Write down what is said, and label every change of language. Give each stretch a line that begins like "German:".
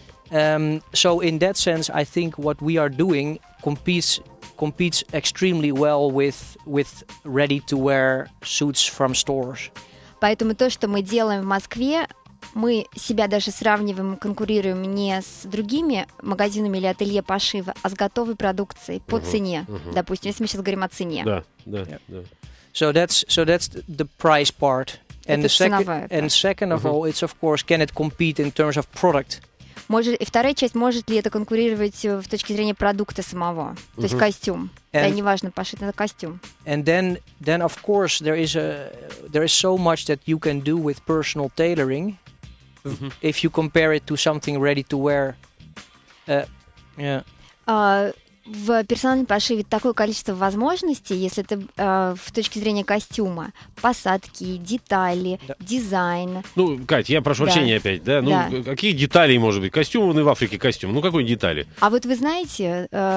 English: So in that sense, I think what we are doing competes extremely well with ready-to-wear suits from stores.
Russian: Поэтому то, что мы делаем в Москве, мы себя даже сравниваем, конкурируем не с другими магазинами или ателье пошива, а с готовой продукцией по цене. Допустим, если мы сейчас говорим о цене.
English: So that's the price part. And second of all, it's of course, can it compete in terms of product?
Russian: И вторая часть, может ли это конкурировать в точке зрения продукта самого, то есть костюм. Да, неважно, пошит на костюм.
English: And then of course there is so much that you can do with personal tailoring if you compare it to something ready to wear.
Russian: В персональном пошиве такое количество возможностей, если это в точке зрения костюма, посадки, детали, дизайн. Ну, Кать, я прошу прощения опять, да? Ну, какие детали, может быть? Костюм, он и в Африке костюм. Ну, какой детали? А вот вы знаете,